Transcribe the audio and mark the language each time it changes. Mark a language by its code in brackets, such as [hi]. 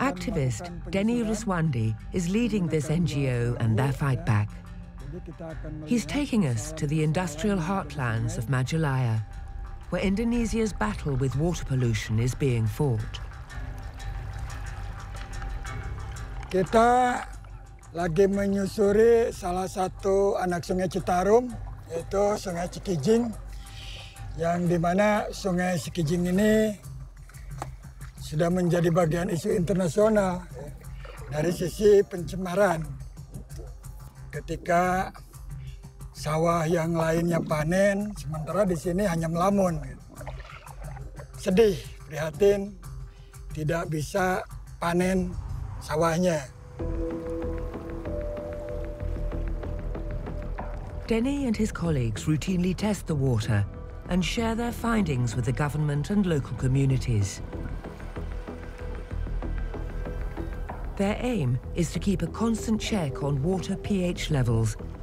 [en] Activist Denny Ruswandi is leading this NGO and their fight back. He's taking us to the industrial heartlands of Majalaya, where Indonesia's battle with water pollution is being fought. [id] Kita lagi menyusuri salah satu anak sungai Citarum, yaitu Sungai Cikijing, yang di mana Sungai Cikijing ini sudah menjadi bagian isu internasional dari sisi pencemaran. Ketika sawah yang lainnya panen, sementara di sini hanya melamun. Sedih, prihatin, tidak bisa panen sawahnya. [en] Denny and his colleagues routinely test the water and share their findings with the government and local communities. Their aim is to keep a constant check on water pH levels,